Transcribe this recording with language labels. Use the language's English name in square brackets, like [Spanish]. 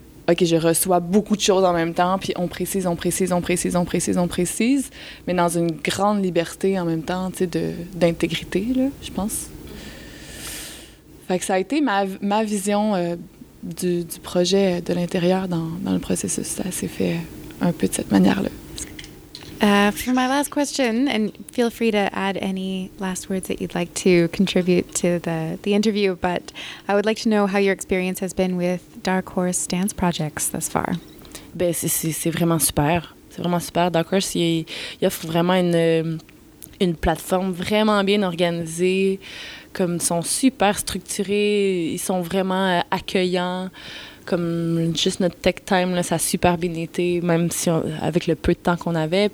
[French] OK, je reçois beaucoup de choses en même temps, puis on précise, mais dans une grande liberté en même temps, tu sais, d'intégrité, là, je pense. Fait que ça a été ma vision du projet de l'intérieur dans le processus. Ça s'est fait un peu de cette manière-là. [English] For my last question, and feel free to add any last words that you'd like to contribute to the interview, but I would like to know how your experience has been with Dark Horse dance projects thus far. [French] Ben, c'est vraiment super. C'est vraiment super. Dark Horse, il offre vraiment une plateforme vraiment bien organisée, comme ils sont super structurés, ils sont vraiment accueillants. Comme juste notre tech time, là, ça a super bien été, même si avec le peu de temps qu'on avait.